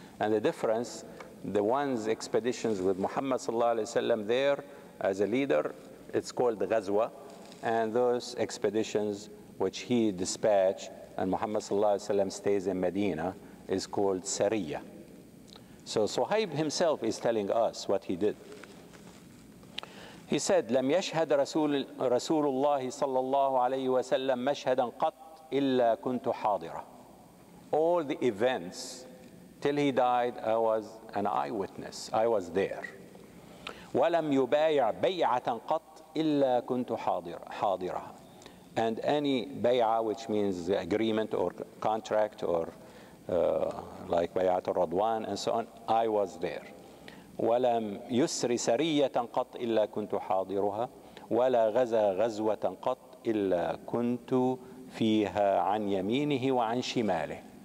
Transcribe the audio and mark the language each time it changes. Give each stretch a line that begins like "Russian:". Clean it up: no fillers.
English: And the difference, the one's expeditions with Muhammad sallallahu alayhi wasallam there as a leader, it's called the Ghazwa, and those expeditions which he dispatched and Muhammad sallallahu alayhi wasallam stays in Medina is called Sariya. So Suhaib himself is telling us what he did.
Arabic: He said, لم يشهد رسول الله صلى الله عليه وسلم مشهدا قط إلا كنت حاضرة.
English: All the events till he died, I was an eyewitness. I was there.
Arabic: ولم يبايع بيعة قط إلا كنت حاضرة.
English: And any bay'ah, which means the agreement or contract or like bay'at al-Radwan and so on, I was there.
Arabic: وَلَمْ يُسْرِ سَرِيَّةً قَطْ إِلَّا كُنْتُ حَاضِرُهَا وَلَا غَزَى غَزْوَةً قَطْ إِلَّا كُنْتُ فِيهَا عَنْ يَمِينِهِ وَعَنْ شِمَالِهِ.